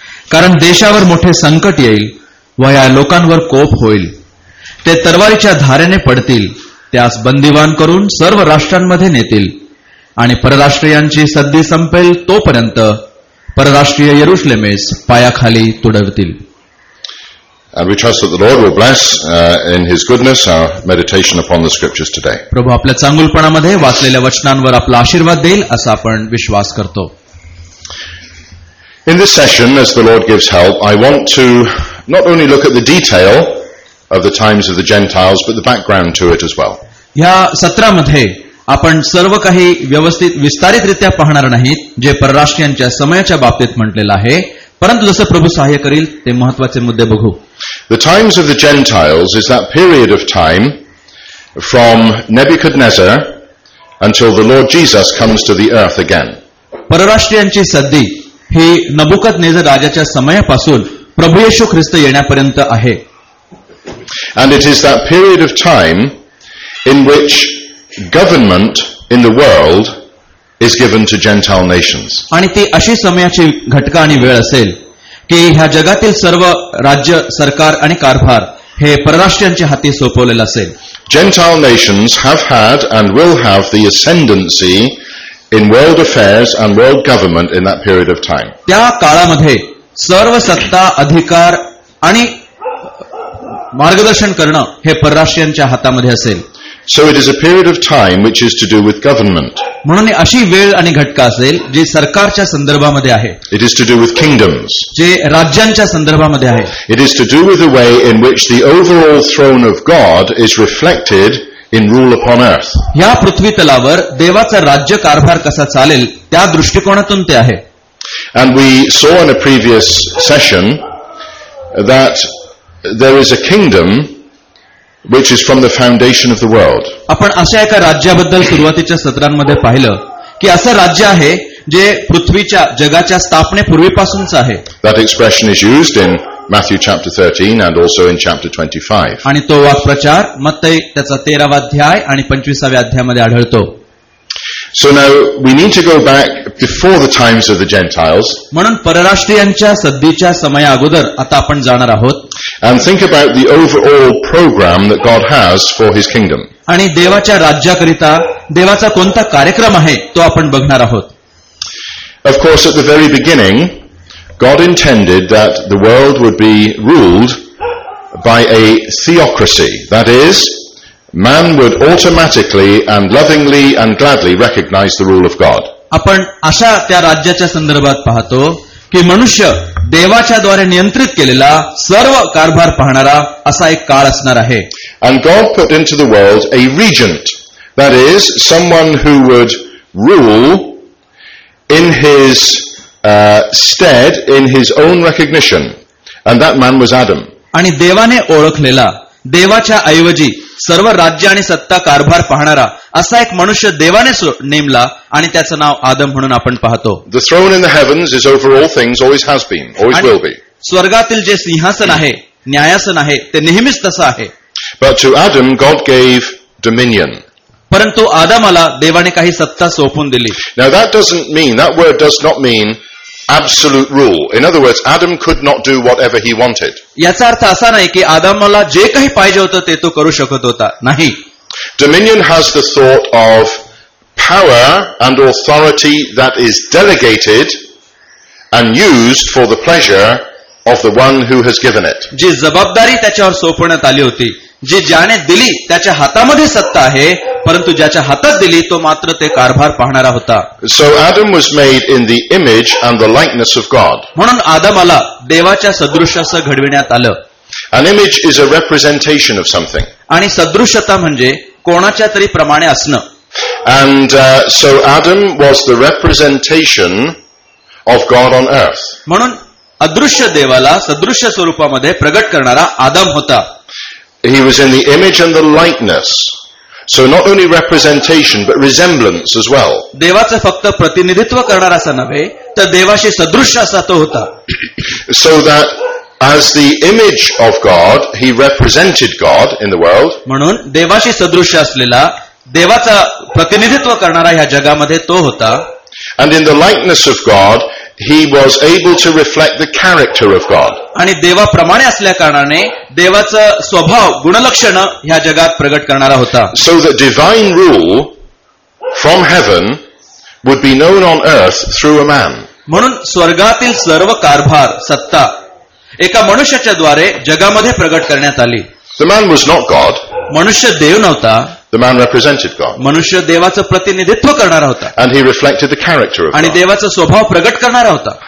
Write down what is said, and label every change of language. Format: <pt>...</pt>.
<mr>कारण देशावर मोठे संकट येईल व या लोकांवर कोप होईल. ते तरवारीच्या धारेने पडतील, त्यास बंदीवान करून सर्व राष्ट्रांमध्ये नेतील आणि परराष्ट्रीयांची सद्दी संपेल तोपर्यंत परराष्ट्रीय यरुश्लेमेस पायाखाली तुडवतील.</mr> <en>And we trust that the Lord will bless in his goodness our meditation upon the scriptures today.</en> <mr>प्रभु आपल्या चांगुलपणामध्ये वाचलेल्या वचनांवर आपला आशीर्वाद देईल असा आपण विश्वास करतो.</mr> <en>In this session, as the Lord gives help, I want to not only look at the detail of the times of the Gentiles, but the background to it as well.</en> <mr>या सत्रामध्ये आपण सर्व काही व्यवस्थित विस्तारितरित्या पाहणार नाहीत जे परराष्ट्रीयांच्या समयाच्या बाबतीत म्हटलेलं आहे, परंतु जसं प्रभू सहाय्य करील ते महत्वाचे मुद्दे बघू.</mr> <en>The times of the Gentiles is that period of time from Nebuchadnezzar until the Lord Jesus comes to the earth again.</en> <mr>परराष्ट्रीयांची सद्दी ही नबुकदनेझर राजाच्या समयापासून प्रभू येशू ख्रिस्त येण्यापर्यंत आहे.</mr> <en>And it is that period of time in which government in the world is given to Gentile nations.</en> <mr>आणि ती अशी समयाची घटका आणि वेळ असेल की ह्या जगातील सर्व राज्य सरकार आणि कारभार हे परराष्ट्रांच्या हाती सोपवलेलं असेल.</mr> <en>Gentile nations have had and will have the ascendancy in world affairs and world government in that period of time.</en> <mr>त्या काळामध्ये सर्व सत्ता अधिकार आणि मार्गदर्शन करणं हे परराष्ट्रांच्या हातामध्ये असेल.</mr> <en>So it is a period of time which is to do with government.</en> <mr>म्हणून अशी वेळ आणि घटका असेल जे सरकारच्या संदर्भामध्ये आहे.</mr> <en>It is to do with kingdoms.</en> <mr>जे राज्यांच्या संदर्भामध्ये आहे.</mr> <en>It is to do with the way in which the overall throne of God is reflected in rule upon earth.</en> <mr>या पृथ्वी तलावर देवाचा राज्य कारभार कसा चालेल त्या दृष्टिकोनातून ते आहे.</mr> <en>And we saw in a previous session that there is a kingdom which is from the foundation of the world.</en> <mr>आपण अशा एका राज्याबद्दल सुरुवातीच्या सत्रांमध्ये पाहिलं की असं राज्य आहे जे पृथ्वीच्या जगाच्या स्थापनेपूर्वीपासूनच आहे.</mr> <en>That expression is used in Matthew chapter 13 and also in chapter 25.</en> <mr>आणि तो वाक्प्रचार मत्तै त्याचा 13वा अध्याय आणि 25व्या अध्यायामध्ये आढळतो.</mr> <en>So now we need to go back before the times of the Gentiles.</en> <mr>म्हणून परराष्ट्रीयांच्या सद्दीच्या समया अगोदर आता आपण जाणार आहोत.</mr> <en>And think about the overall program that God has for his kingdom.</en> <mr>आणि देवाच्या राज्याकरिता देवाचा कोणता कार्यक्रम आहे तो आपण बघणार आहोत.</mr> <en>Of course, at the very beginning, God intended that the world would be ruled by a theocracy. That is, man would automatically and lovingly and gladly recognize the rule of God.</en> <mr>आपण अशा त्या राज्याच्या संदर्भात पाहतो की मनुष्य देवाच्या द्वारे नियंत्रित केलेला सर्व कारभार पाहणारा असा एक काळ असणार आहे.</mr> <en>And God put into the world a regent, that is, someone who would rule in his stead, in his own recognition, and that man was Adam.</en> <mr>आणि देवाने ओळखलेला देवाच्या ऐवजी सर्व राज्य आणि सत्ता कारभार पाहणारा असा एक मनुष्य देवाने नेमला आणि त्याचं नाव आदम म्हणून आपण पाहतो.</mr> <en>The throne in the heavens is over all things, always has been, always will be.</en> <mr>स्वर्गातील जे सिंहासन आहे, न्यायासन आहे, ते नेहमीच तसं आहे.</mr> <en>But to Adam, God gave dominion.</en> <mr>परंतु आदमाला देवाने काही सत्ता सोपून दिली.</mr> <en>Now that doesn't mean, that word does not mean absolute rule. In other words, Adam could not do whatever he wanted.</en> <mr>याचा अर्थ असा नाही की आदमला जे काही पाहिजे होतं ते तो करू शकत होता. नाही.</mr> <en>Dominion has the thought of power and authority that is delegated and used for the pleasure of the one who has given it.</en> <mr>जी जबाबदारी त्याच्यावर सोपवण्यात आली होती जे ज्याने दिली त्याच्या हातामध्ये सत्ता आहे, परंतु ज्याच्या हातात दिली तो मात्र ते कारभार पाहणारा होता.</mr> <en>So Adam was made in the image and the likeness of God.</en> <mr>म्हणून आदमाला देवाच्या सदृशासह घडविण्यात आलं.</mr> <en>An image is a representation of something.</en> <mr>आणि सदृश्यता म्हणजे कोणाच्या तरी प्रमाणे असणं.</mr> <en>And so Adam was the representation of God on earth.</en> <mr>म्हणून अदृश्य देवाला सदृश्य स्वरूपामध्ये प्रगट करणारा आदम होता.</mr> <en>He was in the image and the likeness. So not only representation but resemblance as well.</en> <mr>देवाचं फक्त प्रतिनिधित्व करणारा असं नव्हे तर देवाशी सदृश्य असा तो होता.</mr> <en>So that as the image of God, he represented God in the world.</en> <mr>म्हणून देवाशी सदृश्य असलेला देवाचा प्रतिनिधित्व करणारा ह्या जगामध्ये तो होता.</mr> <en>And in the likeness of God, he was able to reflect the character of God.</en> <mr>आणि देवाप्रमाणे असल्याकारणाने देवाचा स्वभाव गुणलक्षण ह्या जगात प्रकट करणारा होता.</mr> <en>So the divine rule from heaven would be known on earth through a man.</en> <mr>म्हणून स्वर्गातील सर्व कारभार सत्ता एका मनुष्याच्या द्वारे जगामध्ये प्रकट करण्यात आली.</mr> <en>The man was not God.</en> <mr>मनुष्य देव नव्हता.</mr> <en>The man represented God.</en> <mr>मनुष्य देवाचं प्रतिनिधित्व करणारा होता.</mr> <en>And he reflected the character of.</en> <mr>आणि देवाचा स्वभाव प्रकट करणारा होता.</mr>